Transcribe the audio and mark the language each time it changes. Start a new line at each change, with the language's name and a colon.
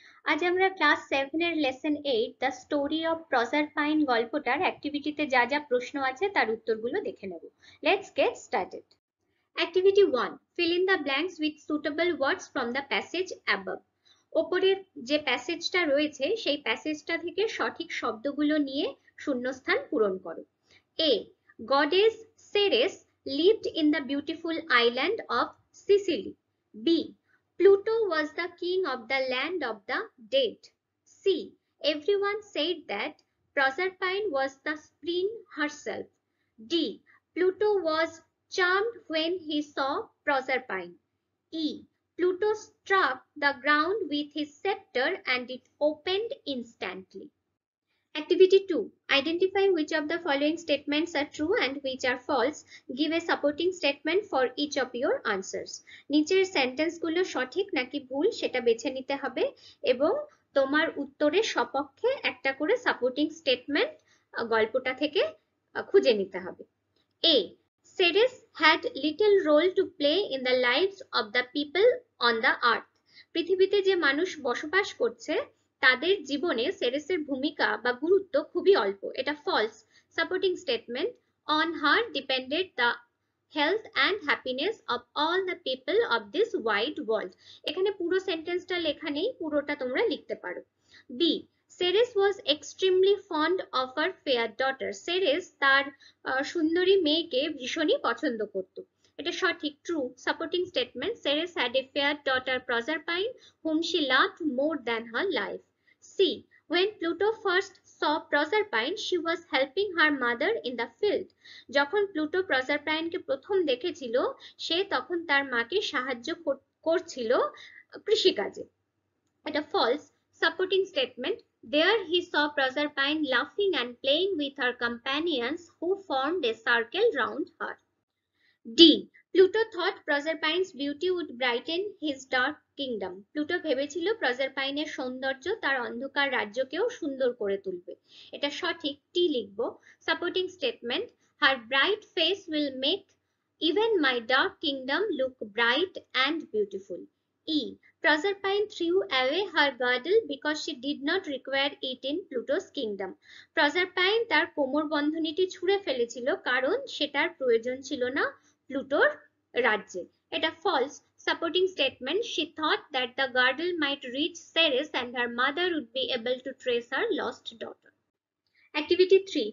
Bangla: আজ আমরা ক্লাস 7 এর লেসন 8
English: the story of Proserpine
Bangla: গল্পটার অ্যাক্টিভিটিতে যা যা প্রশ্ন আছে তার উত্তরগুলো দেখে নেব।
English: Let's get started. Activity 1. Fill in the blanks with suitable words from the passage above.
Bangla: উপরের যে প্যাসেজটা রয়েছে সেই প্যাসেজটা থেকে সঠিক শব্দগুলো নিয়ে শূন্যস্থান পূরণ করো।
English: A. Goddess Ceres lived in the beautiful island of Sicily. B. Pluto was the king of the land of the dead. C. Everyone said that Proserpine was the spring herself. D. Pluto was charmed when he saw Proserpine. E. Pluto struck the ground with his scepter and it opened instantly. Activity 2. Identify which of the following statements are true and which are false. Give a supporting statement for each of your answers. নিচের সেন্টেন্সগুলো সঠিক নাকি ভুল সেটা বেছে নিতে হবে এবং তোমার উত্তরে সপক্ষে একটা করে সাপোর্টিং স্টেটমেন্ট গল্পটা থেকে খুঁজে নিতে হবে। A. Ceres had little role to play in the lives of the people on the earth.
Bangla: পৃথিবীতে যে মানুষ বসবাস করছে তাদের জীবনে সেরেসের ভূমিকা বা গুরুত্ব খুবই অল্প। এটা false.
English: Supporting statement, on her depended the health and happiness of all the people of this wide world.
Bangla: এখানে পুরো সেন্টেন্সটা লেখা নেই, পুরোটা তোমরা লিখতে পারো। B.
English: Ceres was extremely fond of her fair daughter.
Bangla: Ceres তার সুন্দরী মেয়েকে ভীষণই পছন্দ করত। এটা সঠিক, true.
English: Supporting statement, Ceres had a fair daughter Proserpine whom she loved more than her life. C. When Pluto first saw Proserpine she was helping her mother in the field.
Bangla: যখন Pluto প্রসারপাইনকে প্রথম দেখেছিল সে তখন তার মাকে সাহায্য করছিল কৃষিকাজে। এটা ফলস।
English: Supporting statement, দেয়ার হি স প্রসারপাইন লাফিং and playing with her companions who formed A circle round her. D. Pluto thought Proserpine's beauty would brighten his dark kingdom.
Bangla: Pluto ভেবেছিল Proserpine এর সৌন্দর্য তার অন্ধকার রাজ্যকেও সুন্দর করে তুলবে। এটা সঠিক, T লিখব।
English: Supporting statement, Her bright face will make even my dark kingdom look bright and beautiful. E. Proserpine threw away her girdle because she did not require it in Pluto's kingdom.
Bangla: Proserpine তার কোমর বন্ধনীটি ছুঁড়ে ফেলেছিল কারণ সেটার প্রয়োজন ছিল না প্লুটোর রাজ্যে। এটা false.
English: Supporting statement, she thought that the girdle might reach Ceres and her mother would be able to trace her lost daughter. Activity 3.